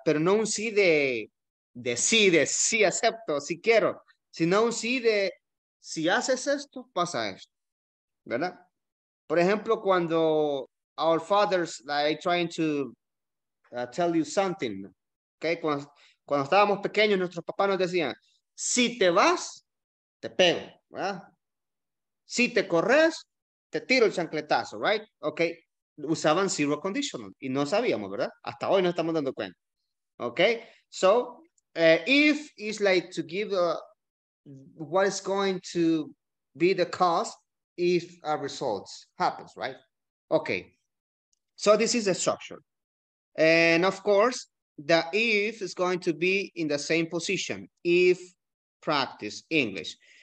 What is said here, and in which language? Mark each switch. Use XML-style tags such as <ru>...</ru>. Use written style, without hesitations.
<es>Pero no un sí de sí acepto, sí quiero, sino un sí de si haces esto, pasa esto, ¿verdad?</es> <en>For example,</en> <es>cuando</es> <en>our fathers like trying to tell you something, okay?</en> <es>Cuando estábamos pequeños, nuestros papás nos decían, si te vas, te pego, ¿verdad? Si te corres, te tiro el chancletazo,</es> <en>right? Okay,</en> <es>usaban zero conditional y no sabíamos, ¿verdad? Hasta hoy no estamos dando cuenta.</es> <en>Okay, so if it's like to give what is going to be the cause if a result happens, right? Okay, so this is the structure. And of course, the if is going to be in the same position, if practice English.</en>